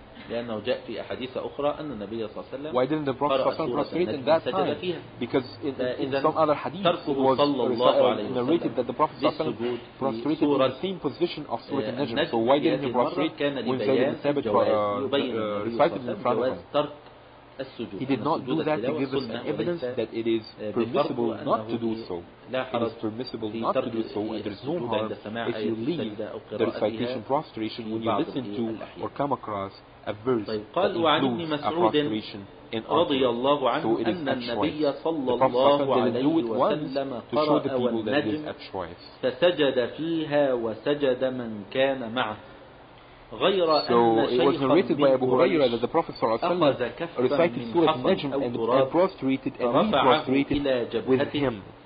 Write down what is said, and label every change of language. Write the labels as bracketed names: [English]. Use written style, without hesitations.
[Arabic] لأنه جاء في أحاديث أخرى أن النبي صلى الله عليه وسلم [English] Why didn't the Prophet [Arabic] صلى الله عليه وسلم [English] prostrate in that time? Because in some other hadith was narrated that the Prophet صلى الله عليه وسلم prostrated in the same position of Surah Al-Najm. So why didn't he prostrate when Zayd ibn Thabit recited in front of him? He did not do that to give us an evidence that it is permissible not to do so. It is permissible not to do so, and there is no harm if you leave the recitation prostration when you listen to or come across a verse that includes a prostration in order. So it is a choice. The Prophet didn't do it once to show the people that it is a choice. [Arabic] فسجد فيها وسجد من كان معه. [English] So it was narrated by Abu Huraira that the Prophet recited Surah Al-Najm and prostrated, and he prostrated with him.